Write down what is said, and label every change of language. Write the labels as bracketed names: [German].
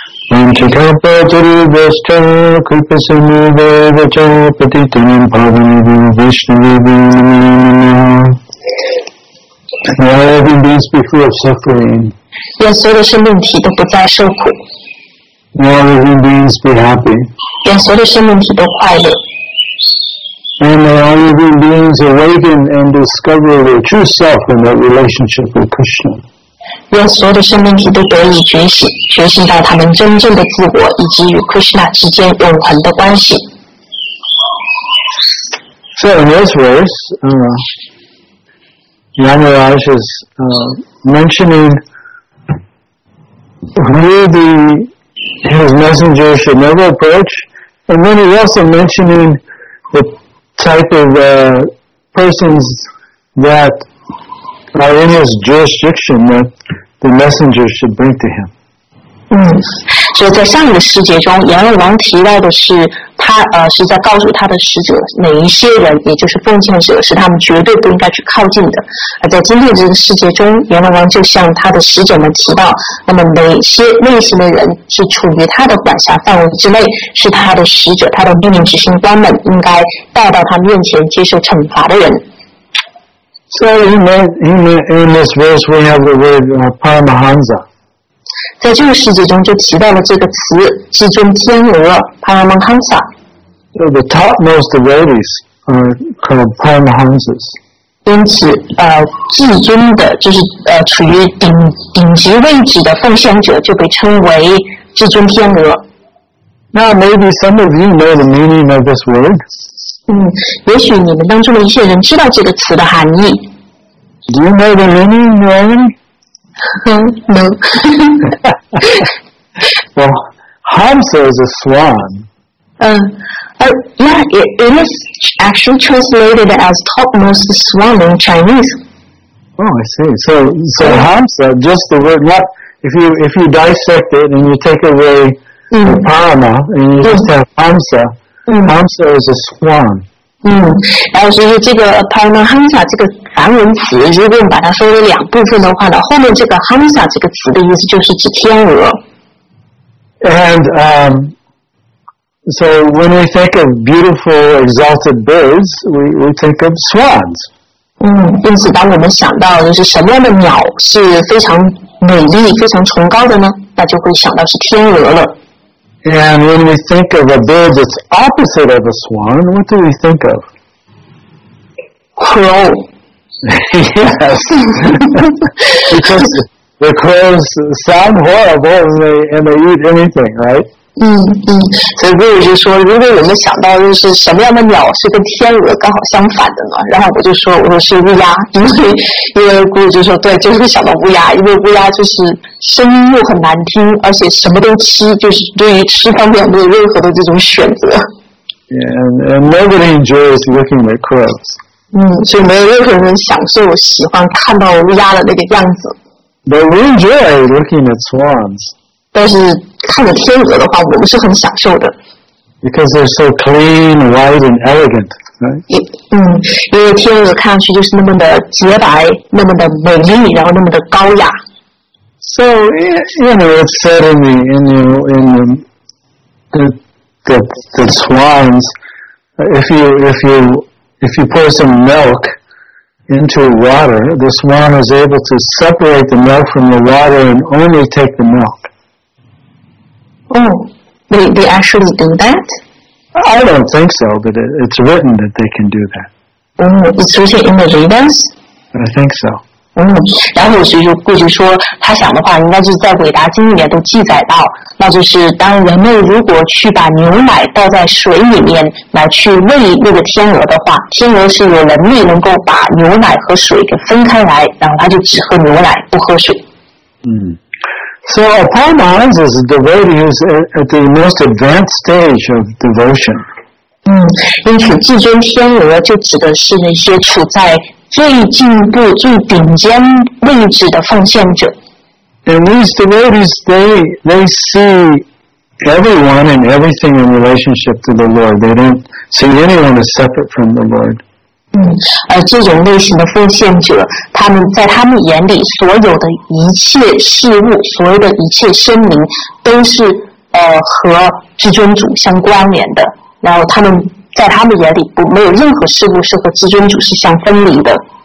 [Sanskrit] Vanchakarpa Turi Vyashtra Kripa Sinu Vyavacha Patitanam Pavanidu Vishnu Vibhuna Namaha [English] May all every beast be free of suffering. [Chinese] 愿所有的生命体都不再受苦。 [English] May all every beast be happy. [Chinese] 愿所有的生命体都快乐。 [English] And may all every beings awaken and discover their true self in their relationship with Krishna. [Chinese] 愿所有的生命体都得以觉醒，觉醒到他们真正的自我以及与 Krishna 之间永恒的关系。 [English] So in this verse, Yamaraj is mentioning who his messenger should never approach, and then he's also mentioning the type of persons that are in his jurisdiction that the messenger should bring to him. [Chinese] 所以在上一个世界中，阎罗王提到的是他是在告诉他的使者哪一些人，也就是奉献者，是他们绝对不应该去靠近的。而在今天这个世界中，阎罗王就向他的使者们提到，那么哪些类型的人是处于他的管辖范围之内，是他的使者、他的命令执行官们应该带到他面前接受惩罚的人。 [English] So in this verse we have the word Paramahansa. [Chinese] 在这个世界中就提到了这个词，至尊天鹅 Paramahansa. [English] So the topmost devotees are called Paramahansas. [Chinese] 因此至尊的就是处于 顶级位置的奉献者就被称为至尊天鹅。 [English] Now maybe some of you know the meaning of this word. [Chinese] 也许你们当中的一些人知道这个词的含义。 [English] Do you know the meaning, Mary? No. Well, Hamsa is a swan. It is actually translated as topmost swan in Chinese. Oh, I see. So Hamsa, just the word, yeah, if you dissect it and you take away the parama and you just have Hamsa,Hamsa is a swan. [Chinese] 然后所以这个 Paramahansa 这个梵文词，如果把它分为两部分的话呢，后面这个 Hamsa 这个词的意思就是指天鹅。 [English] And so when we think of beautiful exalted birds, we think of swans. [Chinese] 因此当我们想到就是什么样的鸟是非常美丽、非常崇高的呢？那就会想到是天鹅了。 [English] And when we think of a bird that's opposite of a swan, what do we think of? Crow. Yes. Because the crows sound horrible and they eat anything, right? [Chinese] 所以我就说，如果我们想到就是什么样的鸟是跟天鹅刚好相反的呢？然后我说是乌鸦，因为我就说对，就是想到乌鸦，因为乌鸦就是声音又很难听，而且什么都吃，就是对于吃方面没有任何的这种选择。 [English] And nobody enjoys looking at crows. [Chinese] 所以没有任何人享受喜欢看到乌鸦的那个样子。 [English] But we enjoy looking at swans. [Chinese] 但是看着天鹅的话，我们是很享受的。 [English] Because they're so clean, white, and elegant, right? [Chinese] 因为天鹅看上去就是那么的洁白，那么的美丽，然后那么的高雅。 [English] So, you know, it's said in the swans, if you pour some milk into water, the swan is able to separate the milk from the water and only take the milk. They actually do that? I don't think so, but it's written that they can do that. It's written in the Vedas? I think so. [Chinese] 然后所以就过去说他想的话应该是在韦达经里面都记载到，那就是当人们如果去把牛奶倒在水里面来去喂那个天鹅的话，天鹅是有能力能够把牛奶和水给分开来，然后他就只喝牛奶不喝水。 [English] So a Paramahansa is a devotee who is at the most advanced stage of devotion. [Chinese] 因此至尊天鹅就指的是那些处在最进步、最顶尖位置的奉献者。 [English] And these devotees, they see everyone and everything in relationship to the Lord. They don't see anyone as separate from the Lord. [Chinese] 而这种类型的奉献者，他们在他们眼里，所有的一切事物，所有的一切生灵，都是和至尊主相关联的。然后他们在他们眼里不，没有任何事物是和至尊主是相分离的。